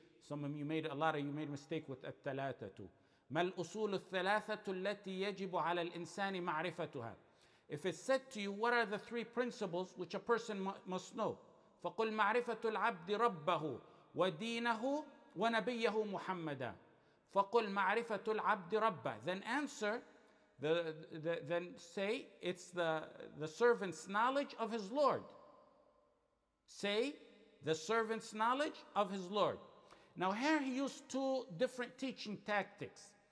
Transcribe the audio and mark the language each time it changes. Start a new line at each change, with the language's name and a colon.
English: Some of you made a lot of mistake with الثَّلَاثَةُ.
Arabic: ما الأصول الثلاثة التي يجب على الإنسان معرفتها؟
English: If it's said to you, what are the three principles which a person must know?
Arabic: فقل معرفة العبد ربه ودينه ونبيه محمدا. فقل معرفة العبد ربه.
English: Then answer, then say, it's the servant's knowledge of his Lord. Say, the servant's knowledge of his Lord. Now here he used two different teaching tactics.